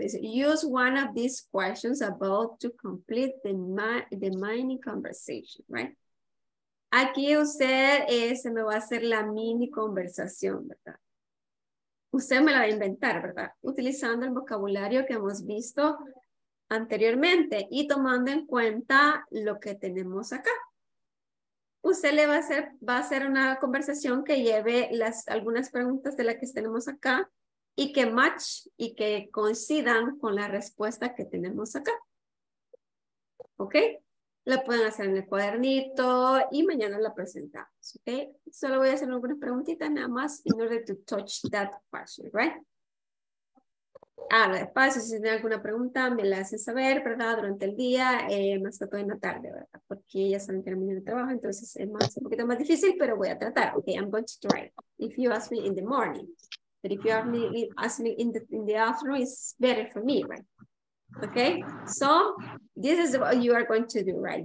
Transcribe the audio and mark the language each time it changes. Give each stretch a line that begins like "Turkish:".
Spanish: Dice,
English: use one of these questions about to complete the mini conversation, right?
Spanish: Aquí usted se me va a hacer la mini conversación, ¿verdad? Usted me la va a inventar, ¿verdad? Utilizando el vocabulario que hemos visto anteriormente y tomando en cuenta lo que tenemos acá. Usted le va a hacer una conversación que lleve algunas preguntas de las que tenemos acá y que match y que coincidan con la respuesta que tenemos acá. ¿Ok? La pueden hacer en el cuadernito y mañana la presentamos, ¿ok? Solo voy a hacer algunas preguntitas nada más
English: in order to touch that question,
Spanish: right? Despacio, si tienen alguna pregunta, me la hacen saber, ¿verdad? Durante el día, más que todo en la tarde, ¿verdad? Porque ya están terminando el trabajo, entonces es un poquito más difícil, pero voy a tratar.
English: Ok, I'm going to try. If you ask me in the morning, but if you ask me in the afternoon, it's better for me, right? Okay, so this is what you are going to do, right?